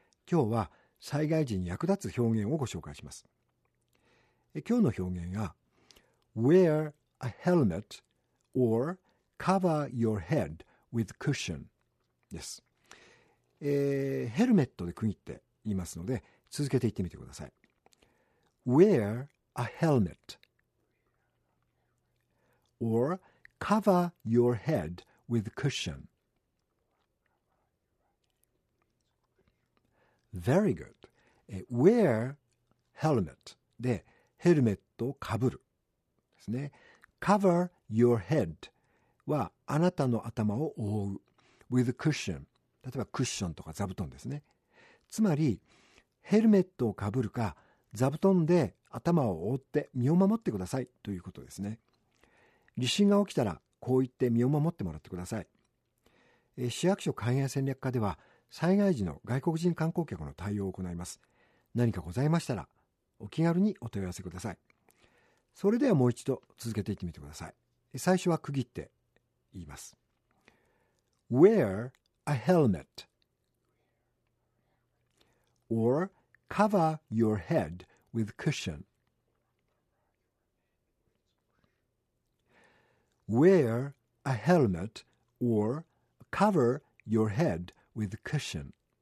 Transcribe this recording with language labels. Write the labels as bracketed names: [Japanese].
[Japanese] 今日は災害時に役立つ表現をご紹介します。今日の表現は [English] Wear a helmet or cover your head with cushion [Japanese] です。ヘルメットで区切って言いますので続けて言ってみてください。 [English] Wear a helmet or cover your head with cushion. Very good. Wear helmet [Japanese] でヘルメットをかぶるですね。 [English] Cover your head [Japanese] はあなたの頭を覆う。 [English] With cushion [Japanese] 例えばクッションとか座布団ですね。つまりヘルメットをかぶるか座布団で頭を覆って身を守ってくださいということですね。地震が起きたらこう言って身を守ってもらってください。市役所海外戦略課では災害時の外国人観光客の対応を行います。何かございましたらお気軽にお問い合わせください。それではもう一度続けていってみてください。最初は区切って言います。 [English] Wear a helmet or cover your head with cushion. Wear a helmet or cover your head with cushion.